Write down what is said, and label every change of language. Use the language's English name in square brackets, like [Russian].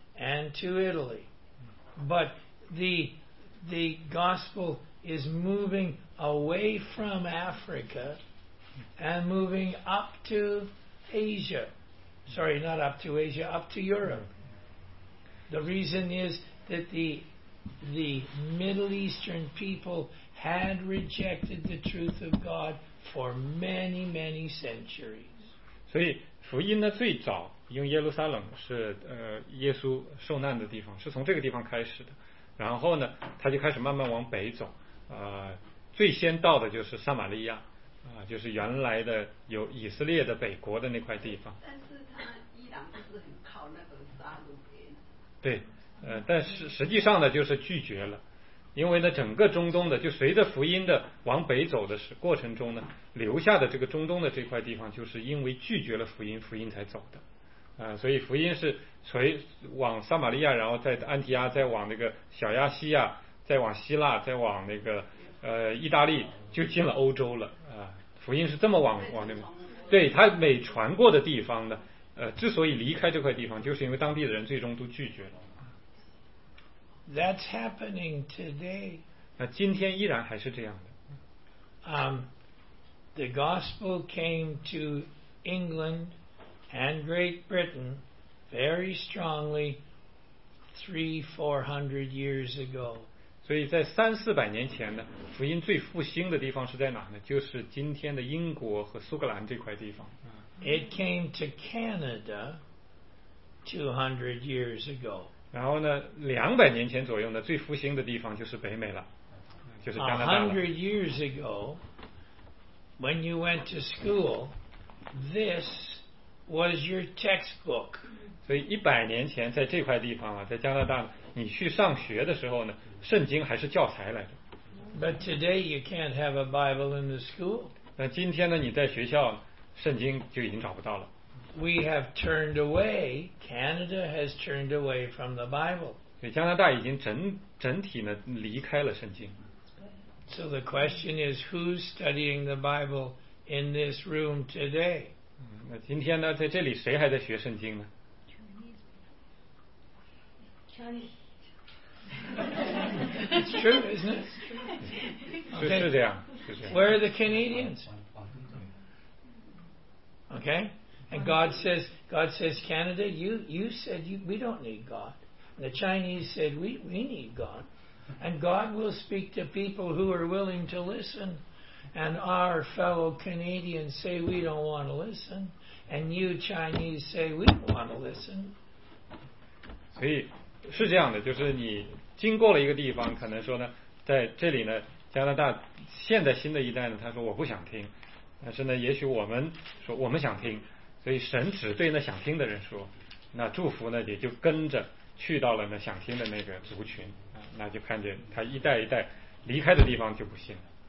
[English] And to Italy, but the gospel is moving away from Africa and moving up to Asia. Sorry, not up to Asia, up to Europe. The reason is that the Middle Eastern people had rejected the truth of God for many, many centuries. [Chinese] 所以福音呢最早。因为耶路撒冷是耶稣受难的地方，是从这个地方开始的。然后呢，他就开始慢慢往北走，最先到的就是撒玛利亚，就是原来的有以色列的北国的那块地方。但是他伊朗不是很靠那个撒路耶。对，但实际上呢，就是拒绝了，因为呢整个中东的就随着福音的往北走的过程中呢，留下的这个中东的这块地方就是因为拒绝了福音，福音才走的，所以福音是随往撒玛利亚，然后在安提亚，再往那个小亚细亚，再往希腊，再往那个意大利，就进了欧洲了，福音是这么往那边，对，他每传过的地方呢，之所以离开这块地方，就是因为当地的人最终都拒绝了。 [English] That's happening today. [Chinese] 那今天依然还是这样的。 [English] The gospel came to England and Great Britain very strongly 300-400 years ago. [Chinese] 所以在300-400年前呢，福音最复兴的地方是在哪呢？就是今天的英国和苏格兰这块地方。 [English] It came to Canada 200 years ago. [Chinese] 然后呢200年前左右呢，最复兴的地方就是北美了，就是加拿大了。 [English] 100 years ago, when you went to school, this was your textbook. [Chinese] 所以100年前在这块地方啊，在加拿大你去上学的时候呢，圣经还是教材来的。 [English] But today you can't have a Bible in the school. [Chinese] 那今天呢，你在学校圣经就已经找不到了。 [English] We have turned away, Canada has turned away from the Bible. [Chinese] 所以加拿大已经整体呢离开了圣经。 [English] So the question is, who's studying the Bible in this room today? [Chinese] 那今天呢，在这里谁还在学圣经呢？ [English] Chinese. It's true, isn't it? [Chinese] 是这样。 [English] Where are the Canadians? Okay, and God says, Canada, you said we don't need God. And the Chinese said we need God, and God will speak to people who are willing to listen, and our fellow Canadians say we don't want to listen, and you Chinese say we want to listen. [Chinese] 所以是这样的，就是你经过了一个地方，可能说呢，在这里呢，加拿大现在新的一代呢，他说我不想听。但是呢，也许我们说我们想听，所以神只对那想听的人说，那祝福呢也就跟着去到了那想听的那个族群，那就看见他一代一代离开的地方就不信了。